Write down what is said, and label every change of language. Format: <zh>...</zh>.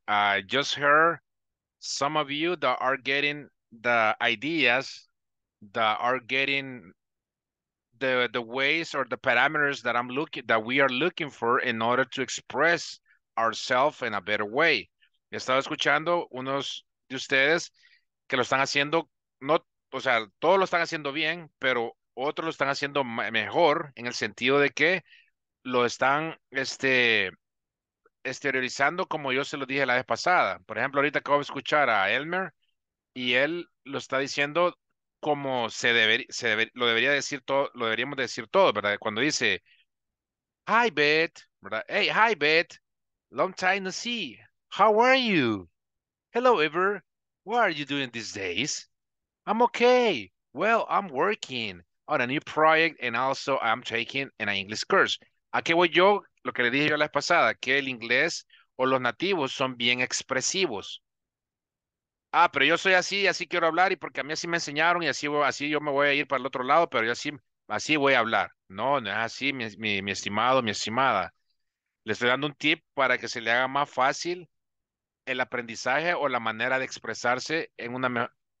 <en>I just heard some of you that are getting the ideas, that are getting the ways or the parameters that we are looking for in order to express ourselves in a better way.</en> <es>He estado escuchando unos de ustedes que lo están haciendo, no, o sea, todos lo están haciendo bien, pero otros lo están haciendo mejor en el sentido de que lo están exteriorizando como yo se lo dije la vez pasada. Por ejemplo, ahorita acabo de escuchar a Elmer y él lo está diciendo como lo deberíamos decir todo, ¿verdad? Cuando dice,</es> <en>hi, Beth, ¿verdad? Hey, hi, Beth, long time no see. How are you? Hello, Ever. What are you doing these days? I'm okay. Well, I'm working on a new project, and also I'm taking an English course.</en> <es>¿A qué voy yo? Lo que le dije yo la vez pasada, que el inglés o los nativos son bien expresivos. Ah, pero yo soy así y así quiero hablar, y porque a mí así me enseñaron y así yo me voy a ir para el otro lado, pero yo así voy a hablar. No es así, mi estimado, mi estimada. Le estoy dando un tip para que se le haga más fácil el aprendizaje o la manera de expresarse en una mejor...</es>